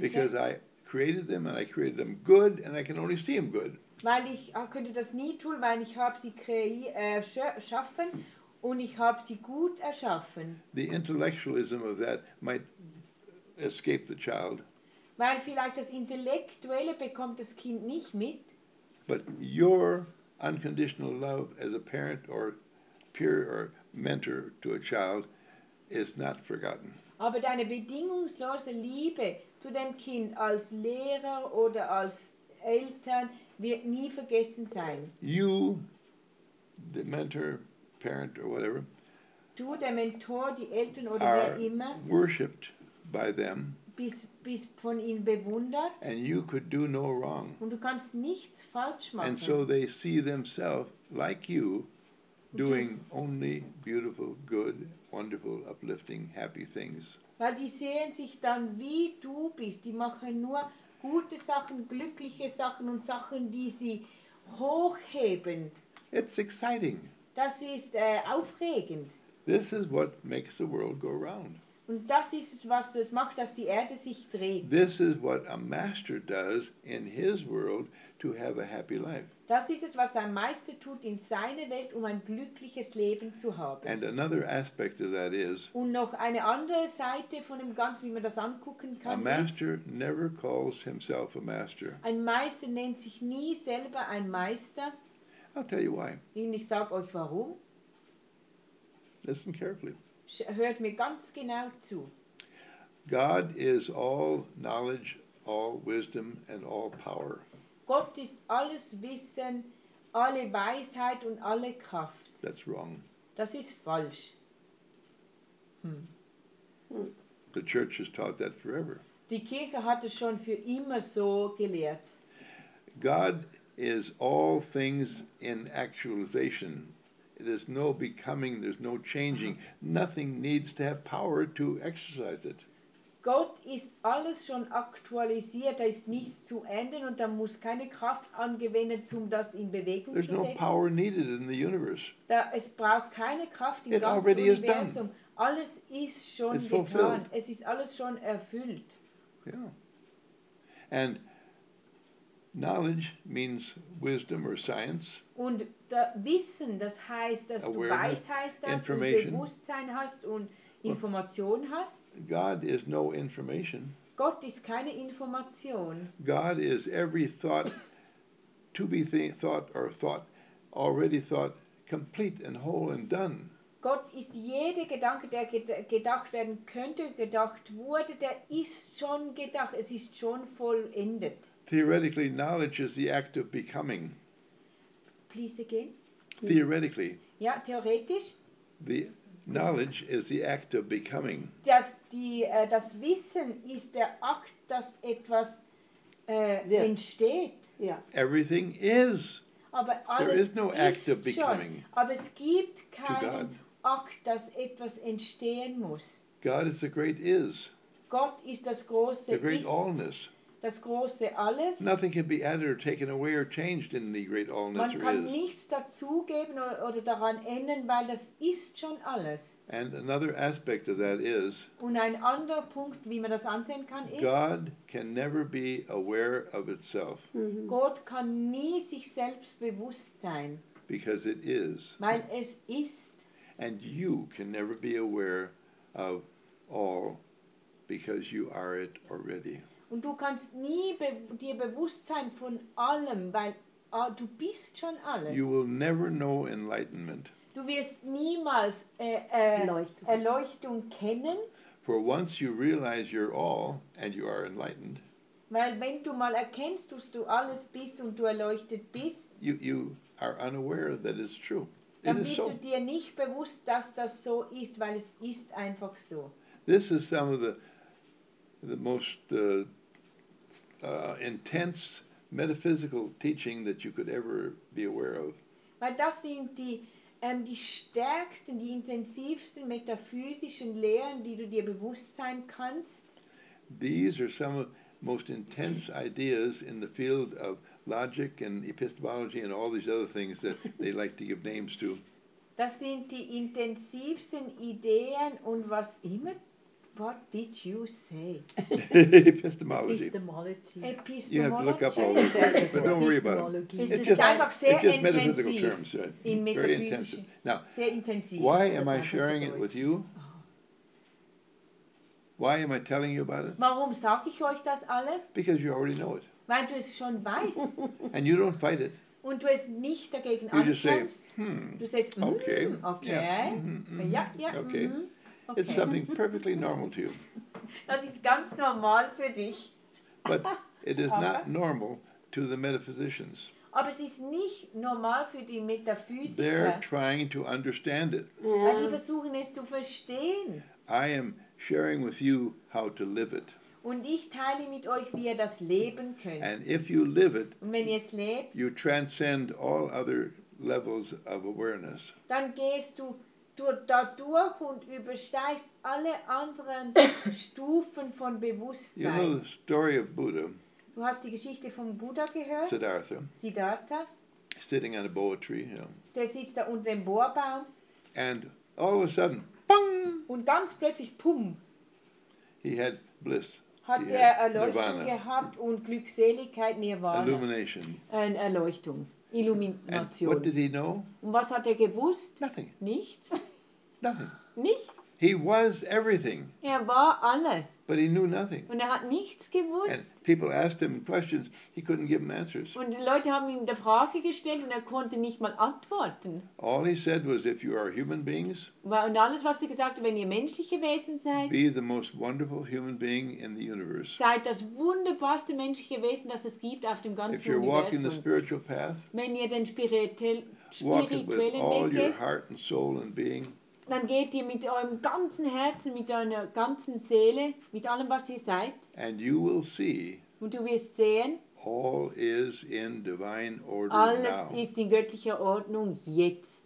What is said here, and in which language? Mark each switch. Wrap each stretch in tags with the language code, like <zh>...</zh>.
<en>Because I created them and I created them good and I can only see them good.</en> <de>Weil ich könnte das nie tun, weil ich habe sie erschaffen und ich habe sie gut erschaffen.</de> <en>The intellectualism of that might escape the child.</en> <de>Weil vielleicht das Intellektuelle bekommt das Kind nicht mit.</de> <en>But your unconditional love as a parent or peer or mentor to a child is not forgotten.</en> <de>Aber deine bedingungslose Liebe zu dem Kind als Lehrer oder als Eltern wird nie vergessen sein.</de> <en>You, the mentor, parent or whatever,</en> <de>du, der Mentor, die Eltern oder wer immer,</de> <en>worshipped by them.</en> <de>Bis von ihnen bewundert.</de> <en>And you could do no wrong.</en> <de>Und du kannst nichts falsch machen.</de> <en>And so they see themselves like you, doing only beautiful, good, wonderful, uplifting, happy things.</en> <de>Weil die sehen sich dann wie du bist. Die machen nur gute Sachen, glückliche Sachen und Sachen, die sie hochheben.</de> <en>It's exciting.</en> <de>Das ist aufregend.</de> <en>This is what makes the world go round.</en> <de>Und das ist es, was das macht, dass die Erde sich dreht.</de> <en>This is what a master does in his world to have a happy life.</en> <de>Das ist es, was ein Meister tut in seiner Welt, um ein glückliches Leben zu haben.</de> <en>And another aspect of that is.</en> <de>Und noch eine andere Seite von dem Ganzen, wie man das angucken kann.</de> <en>A master never calls himself a master.</en> <de>Ein Meister nennt sich nie selber ein Meister.</de> <en>I'll tell you why.</en> <de>Und ich sag euch warum.</de> <en>Listen carefully.</en> <de>Hört mir ganz genau zu.</de> <en>God is all knowledge, all wisdom and all power.</en> <de>Gott ist alles Wissen, alle Weisheit und alle Kraft.</de> <en>That's wrong.</en> <de>Das ist falsch.</de> <en>The church has taught that forever.</en> <de>Die Kirche hat es schon für immer so gelehrt.</de> <en>God is all things in actualization. There's no becoming, there's no changing. Nothing needs to have power to exercise it.</en> <de>Gott ist alles schon aktualisiert, da ist nichts zu ändern und da muss keine Kraft angewendet, um das in Bewegung zu setzen.</de> <en>There's no power needed in the universe.</en> <de>Da, es braucht keine Kraft im ganzen Universum.</de> <en>Is done.</en> <de>Alles ist schon</de> <en>It's</en> <de>getan.</de> <en>Fulfilled.</en> <de>Es ist alles schon erfüllt.</de> <en>Yeah. And knowledge means wisdom or science.</en> <de>Und da Wissen, das heißt, dass</de> <en>Awareness,</en> <de>du Weisheit hast und Bewusstsein hast und Information hast.</de> <en>God is no information.</en> <de>Gott ist keine Information.</de> <en>God is every thought to be thought or thought, already thought, complete and whole and done.</en> <de>Gott ist jeder Gedanke, der gedacht werden könnte, gedacht wurde, der ist schon gedacht, es ist schon vollendet.</de> <en>Theoretically, knowledge is the act of becoming. Please again. Theoretically.</en> <de>Ja, theoretisch.</de> <en>The knowledge is the act of becoming.</en> <de>Das Wissen ist der Akt, dass etwas entsteht.</de> <en>Yeah. Everything is.</en> <de>Aber alles</de> <en>there is no act of becoming.</en> <de>Schon. Aber es gibt keinen Akt, dass etwas entstehen muss.</de> <en>God is the great is.</en> <de>Gott ist das große</de> <en>The great</en> <de>ist.</de> <en>Allness.</en> <de>Das große Alles.</de> <en>Nothing can be added or taken away or changed in the great allness</en> <de>Man kann nichts dazugeben oder daran ändern, weil das ist schon alles.</de> <en>And another aspect of that is,</en> <de>und ein anderer Punkt, wie man das ansehen kann, ist,</de> <en>God can never be aware of itself. Mm-hmm.</en> <de>Gott kann nie sich selbst bewusst sein.</de> <en>Because it is.</en> <de>Weil es ist.</de> <en>And you can never be aware of all, because you are it already.</en> <de>Und du kannst nie dir bewusst sein von allem, weil du bist schon alles.</de> <en>You will never know enlightenment.</en> <de>Du wirst niemals Erleuchtung kennen.</de> <en>For once you realize you're all and you are enlightened.</en> <de>Weil wenn du mal erkennst, dass du alles bist und du erleuchtet bist,</de> <en>you are unaware that it's true.</en> <de>Dann bist du dir nicht bewusst, dass das so ist, weil es ist einfach so.</de> <en>This is some of the most intense metaphysical teaching that you could ever be aware of.</en> <de>Weil das sind die stärksten, die intensivsten metaphysischen Lehren, die du dir bewusst sein kannst.</de> <en>These are some of the most intense ideas in the field of logic and epistemology and all these other things that they like to give names to.</en> <de>Das sind die intensivsten Ideen und was immer.</de> <en>What did you say? Epistemology. You have to look up all this, but don't worry about it. It's just metaphysical terms. Right? Very intensive. Now, why am I sharing it with you? Why am I telling you about it?</en> <de>Warum sag ich euch das alles?</de> <en>Because you already know it.</en> <de>Weil du es schon weißt.</de> <en>And you don't fight it.</en> <de>Und du es nicht dagegen ankämpfst.</de> <en>You just say,</en> <de>Du sagst, okay. Okay.</de> <en>Okay. It's something perfectly normal to you.</en> <de>Das ist ganz normal für dich.</de> <en>But it is not normal to the metaphysicians.</en> <de>Aber es ist nicht normal für die Metaphysiker.</de> <en>They're trying to understand it. Yeah.</en> <de>Weil die versuchen es zu verstehen.</de> <en>I am sharing with you how to live it.</en> <de>Und ich teile mit euch, wie ihr das leben könnt.</de> <en>And if you live it,</en> <de>und wenn ihr es lebt,</de> <en>you transcend all other levels of awareness.</en> <de>Dann gehst du dadurch und übersteigst alle anderen Stufen von Bewusstsein.</de> <en>You know the story of Buddha.</en> <de>Du hast die Geschichte vom Buddha gehört.</de> <en>Siddhartha. Sitting on a boa tree. You know.</en> <de>Der sitzt da unter dem Bohrbaum.</de> <en>And all of a sudden, bang!</en> <de>Und ganz plötzlich, pum!</de> <en>He had bliss.</en> <de>Erleuchtung gehabt und Glückseligkeit, Nirvana.</de> <en>Illumination.</en> <de>Eine Erleuchtung. Illumination.</de> <en>What did he know?</en> <de>Und was hat er gewusst?</de> <en>Nothing.</en> <de>Nichts.</de> <en>Nothing.</en> <de>Nichts.</de> <en>He was everything.</en> <de>Er war alles.</de> <en>But he knew nothing.</en> <de>Und er hat nichts gewusst.</de> <en>And people asked him questions, he couldn't give them answers.</en> <de>Und die Leute haben ihm eine Frage gestellt und er konnte nicht mal antworten.</de> <en>All he said was, if you are human beings,</en> <de>und alles, was er gesagt hat, wenn ihr menschliche Wesen seid,</de> <en>be the most wonderful human being in the universe.</en> <de>Seid das wunderbarste menschliche Wesen, das es gibt auf dem ganzen Universum.</de> <en>If you're walking the spiritual path,</en> <de>wenn ihr den spirituellen Weg geht,</de> <en>all your heart and soul and being,</en> <de>dann geht ihr mit eurem ganzen Herzen, mit eurer ganzen Seele, mit allem, was ihr seid.</de> <en>And you will see,</en> <de>und du wirst sehen,</de> <en>all is in divine order</en> <de>alles</de> <en>now.</en> <de>Ist in göttlicher Ordnung jetzt.</de>